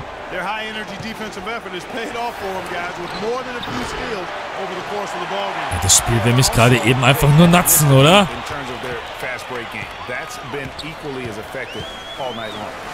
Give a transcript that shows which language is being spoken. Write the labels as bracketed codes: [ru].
[en] Their high energy defensive effort has paid off for them, guys, with more than a few steals over the course of the ball game. [de] Das Spiel will mich gerade eben einfach nur natzen, oder? [en] In terms of their fast break game, that's been equally as effective all night long.